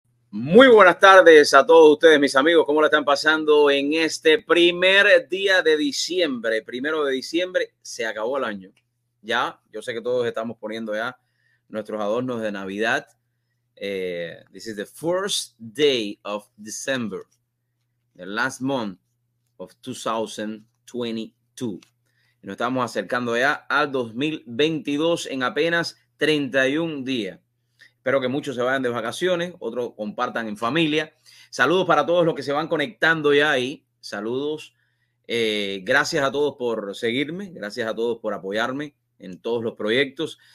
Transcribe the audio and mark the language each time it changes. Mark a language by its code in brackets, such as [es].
[es] Muy buenas tardes a todos ustedes, mis amigos. ¿Cómo la están pasando en este primer día de diciembre? Primero de diciembre, se acabó el año. Ya, yo sé que todos estamos poniendo ya nuestros adornos de Navidad. [en] This is the first day of December, the last month of 2022. [es] Nos estamos acercando ya al 2022 en apenas 31 días. Espero que muchos se vayan de vacaciones, otros compartan en familia. Saludos para todos los que se van conectando ya ahí. Saludos. Gracias a todos por seguirme. Gracias a todos por apoyarme en todos los proyectos.